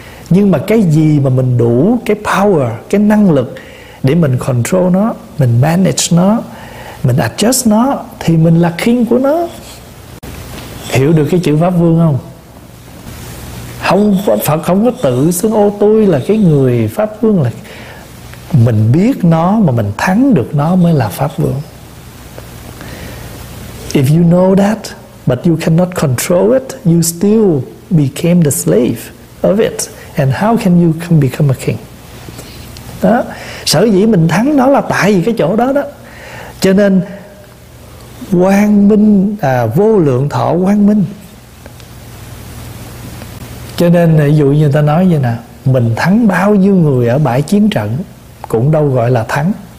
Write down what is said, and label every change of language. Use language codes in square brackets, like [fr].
[vi] Nhưng mà cái gì mà mình đủ cái power, cái năng lực để mình control nó, mình manage nó, mình adjust nó, thì mình là king của nó. Hiểu được cái chữ pháp vương không? Không, Phật không có tự xưng ô tôi là cái người pháp vương. Là mình biết nó mà mình thắng được nó mới là pháp vương. [en] If you know that but you cannot control it, you still became the slave of it. And how can you become a king? [vi] Đó. Sở dĩ mình thắng nó là tại vì cái chỗ đó đó. Cho nên quang minh à, vô lượng thọ quang minh. Cho nên ví dụ như ta nói vậy nè, mình thắng bao nhiêu người ở bãi chiến trận cũng đâu gọi là thắng.